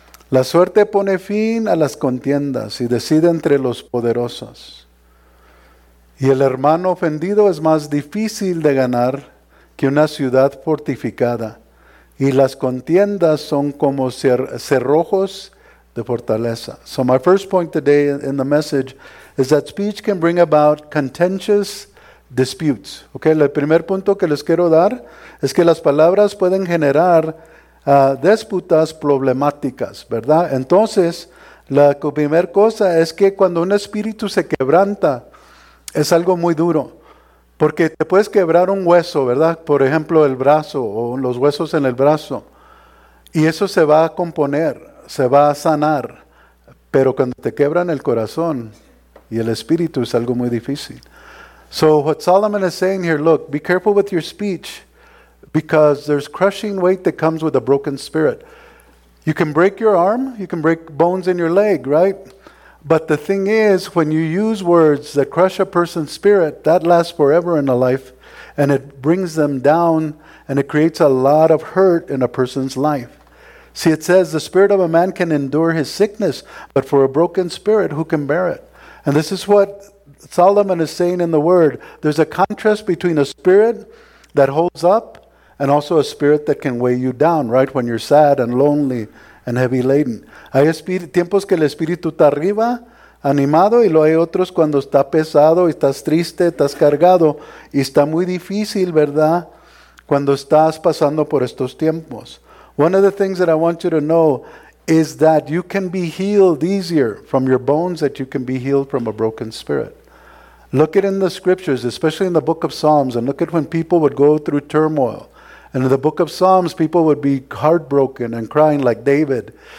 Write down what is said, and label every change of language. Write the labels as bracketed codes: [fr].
[es] La suerte pone fin a las contiendas y decide entre los poderosos. Y el hermano ofendido es más difícil de ganar que una ciudad fortificada. Y las contiendas son como cerrojos de fortaleza. [en] So my first point today in the message is that speech can bring about contentious disputes. [es] Okay, el primer punto que les quiero dar es que las palabras pueden generar disputas problemáticas, ¿verdad? Entonces, la primera cosa es que cuando un espíritu se quebranta, es algo muy duro, porque te puedes quebrar un hueso, ¿verdad? Por ejemplo, el brazo o los huesos en el brazo. Y eso se va a componer, se va a sanar. Pero cuando te quebran el corazón y el espíritu, es algo muy difícil. [en] So what Solomon is saying here, look, be careful with your speech because there's crushing weight that comes with a broken spirit. You can break your arm, you can break bones in your leg, right? But the thing is, when you use words that crush a person's spirit, that lasts forever in a life, and it brings them down, and it creates a lot of hurt in a person's life. See, it says, the spirit of a man can endure his sickness, but for a broken spirit, who can bear it? And this is what Solomon is saying in the word. There's a contrast between a spirit that holds up and also a spirit that can weigh you down, right? When you're sad and lonely and heavy laden. [es] Hay tiempos que el espíritu está arriba, animado, y luego hay otros cuando está pesado, y estás triste, estás cargado, y está muy difícil, ¿verdad?, cuando estás pasando por estos tiempos. [en] One of the things that I want you to know is that you can be healed easier from your bones than you can be healed from a broken spirit. Look at in the scriptures, especially in the book of Psalms, and look at when people would go through turmoil. And in the book of Psalms, people would be heartbroken and crying like David.